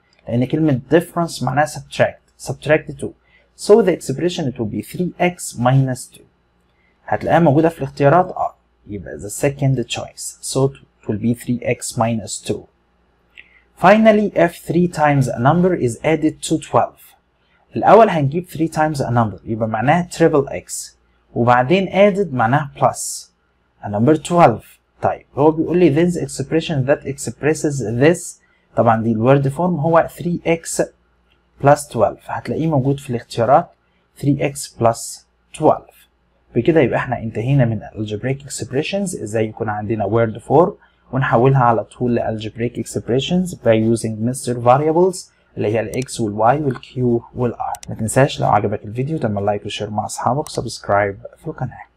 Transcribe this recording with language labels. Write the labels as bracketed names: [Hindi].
[Arabic] لان كلمة difference معناها subtract. [English] Subtract 2. So the expression it will be 3x minus 2. [Arabic] هتلاقيها موجودة في الاختيارات R. يبقى [English] the second choice. So it will be 3x minus 2. Finally, if 3 times a number is added to 12. [Arabic] الأول هنجيب [English] 3 times a number. [Arabic] يبقى معناها [English] triple x. [Arabic] وبعدين added معناها plus. [English] A number 12. طيب. [Arabic] هو بيقول لي [English] this expression that expresses this. [Arabic] طبعا دي الورد فورم هو 3x plus 12. هتلاقيه موجود في الاختيارات 3x plus 12. بكده يبقى احنا انتهينا من algebraic expressions. ازاي يكون عندنا word form. ونحولها على طول لالجبريك اكسبريشنز [English] by using [Arabic] مستر variables اللي هي الx والy والq والr. ما تنساش لو عجبك الفيديو تعمل لايك وشير مع اصحابك وسبسكرايب في القناه.